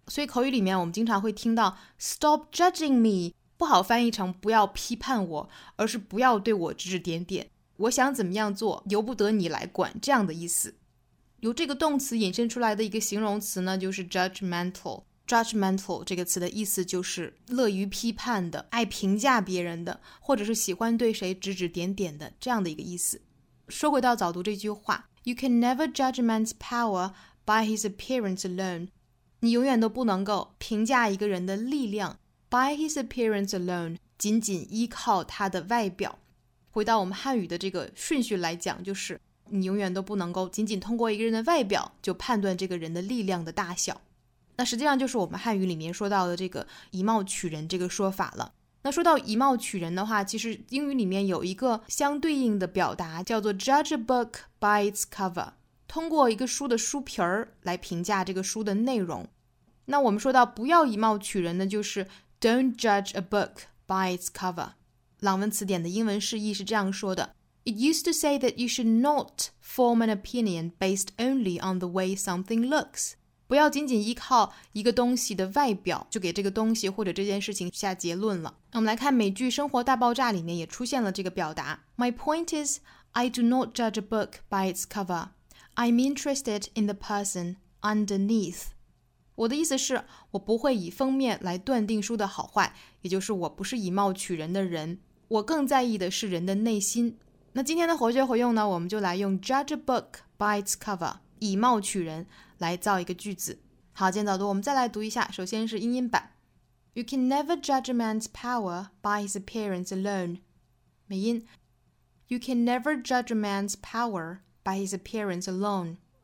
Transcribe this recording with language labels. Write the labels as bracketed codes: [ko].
[zh] 所以口语里面我们经常会听到 [en] stop judging me， [zh] 不好翻译成不要批判我，而是不要对我指指点点，我想怎么样做由不得你来管，这样的意思。由这个动词引申出来的一个形容词呢，就是 judgmental。 judgmental 这个词的意思就是乐于批判的，爱评价别人的，或者是喜欢对谁指指点点的，这样的一个意思。说回到早读这句话， [en] You can never judge a man's power by his appearance alone. [zh] 你永远都不能够评价一个人的力量 [en] by his appearance alone， [zh] 仅仅依靠他的外表。回到我们汉语的这个顺序来讲，就是你永远都不能够仅仅通过一个人的外表就判断这个人的力量的大小。那实际上就是我们汉语里面说到的这个以貌取人这个说法了。那说到以貌取人的话，其实英语里面有一个相对应的表达叫做 [en] judge a book by its cover， [zh] 通过一个书的书皮儿来评价这个书的内容。那我们说到不要以貌取人的就是 [en] don't judge a book by its cover。 [zh] 朗文词典的英文释义是这样说的， [en] It used to say that you should not form an opinion based only on the way something looks. [zh] 不要仅仅依靠一个东西的外表就给这个东西或者这件事情下结论了。我们来看美剧《生活大爆炸》里面也出现了这个表达。 [en] My point is, I do not judge a book by its cover. I'm interested in the person underneath. [zh] 我的意思是，我不会以封面来断定书的好坏，也就是我不是以貌取人的人，我更在意的是人的内心。那今天的活学活用呢，我们就来用 [en] judge a book by its cover， [zh] 以貌取人来造一个句子。好，今天早读我们再来读一下，首先是英音版。 [en] You can never judge a man's power by his appearance alone. [zh] 美音 [en] You can never judge a man's power by his appearance alone.